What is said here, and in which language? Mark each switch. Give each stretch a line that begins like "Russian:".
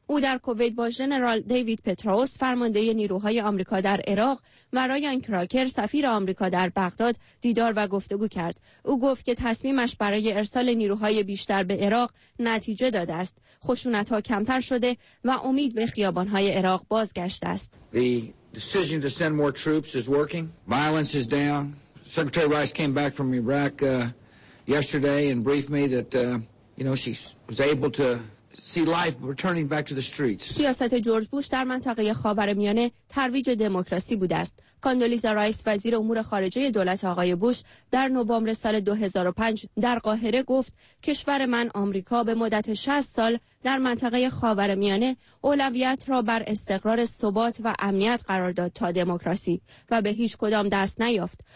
Persian: او در کویت با ژنرال دیوید پتروس فرمانده نیروهای آمریکا در عراق و رایان کراکر سفیر آمریکا در بغداد دیدار و گفتگو کرد. او گفت که تصمیمش برای ارسال نیروهای بیشتر به عراق نتیجه داده است. خشونت‌ها کمتر شده و امید به خیابان‌های عراق بازگشته است.
English: The decision to send more troops is working. Violence is down. Secretary Rice came back from Iraq yesterday and briefed me that she was able to see life returning back to the streets.
Persian: سیاست جورج بوش در منطقه خاورمیانه ترویج دموکراسی بود است. کاندولیزا رایس وزیر امور خارجه دولت آقای بوش در نوامبر سال 2005 در قاهره گفت کشور من آمریکا به مدت 60 سال در منطقه خاورمیانه اولویت را بر استقرار ثبات و امنیت قرار داد تا دموکراسی و به هیچ کدام دست نیافت.